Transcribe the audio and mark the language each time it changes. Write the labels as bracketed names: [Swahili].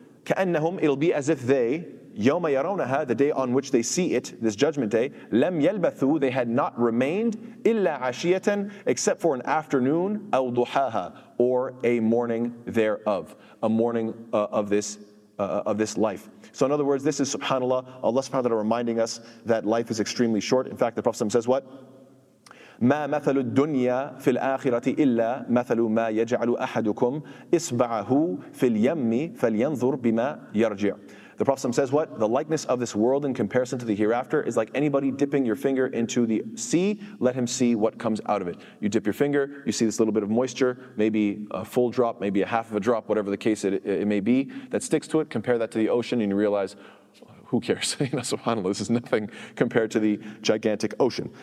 [English] كَأَنَّهُمْ It'll be as if they... [Arabic] يَوْمَ يَرَوْنَهَا [English] The day on which they see it, this judgment day, [Arabic] لَمْ يَلْبَثُوا [English] They had not remained [Arabic] إِلَّا عَشِيَةً [English] Except for an afternoon, [Arabic] أَوْ ضُحَاهَا [English] Or a morning thereof. A morning of this life. So in other words, this is subhanAllah, Allah subhanahu wa ta'ala reminding us that life is extremely short. In fact, the Prophet says what? [Arabic] مَا مَثَلُ الدُّنْيَا فِي الْآخِرَةِ إِلَّا مَثَلُ مَا يَجْعَلُ أَحَدُكُمْ إِصْبَعَهُ فِي الْيَمِّ فَلْيَنْظُرْ بِمَا يَرْجِعُ [English] The Prophet says what? The likeness of this world in comparison to the hereafter is like anybody dipping your finger into the sea, let him see what comes out of it. You dip your finger, you see this little bit of moisture, maybe a full drop, maybe a half of a drop, whatever the case it may be, that sticks to it. Compare that to the ocean and you realize, who cares? You know, subhanAllah, this is nothing compared to the gigantic ocean.